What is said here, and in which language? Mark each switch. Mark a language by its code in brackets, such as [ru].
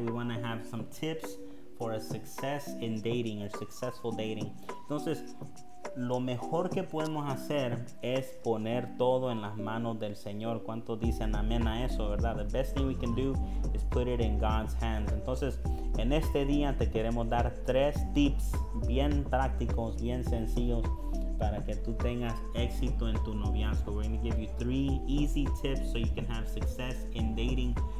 [en] We want to have some tips for a success in dating, or successful dating. [es] Entonces, lo mejor que podemos hacer es poner todo en las manos del Señor. ¿Cuántos dicen amén a eso, verdad? [en] The best thing we can do is put it in God's hands. [es] Entonces, en este día te queremos dar 3 tips bien prácticos, bien sencillos, para que tú tengas éxito en tu noviazgo. [en] We're going to give you 3 easy tips so you can have success in dating.